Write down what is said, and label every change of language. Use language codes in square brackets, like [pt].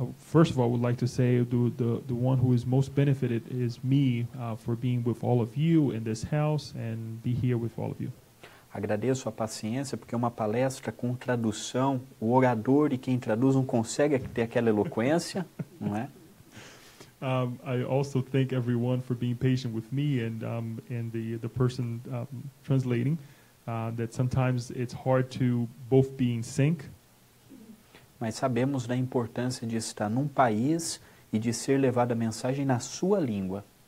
[en] First of all, I would like to say the one who is most benefited is me for being with all of you in this house and be here with all of you. [pt] Agradeço a paciência porque uma palestra com tradução, o orador e quem traduz não consegue ter aquela eloquência, não é? [en] I also thank everyone for being patient with me and the person translating. That sometimes it's hard to both be in sync. [pt] Mas sabemos da importância de estar num país e de ser levado a mensagem na sua língua.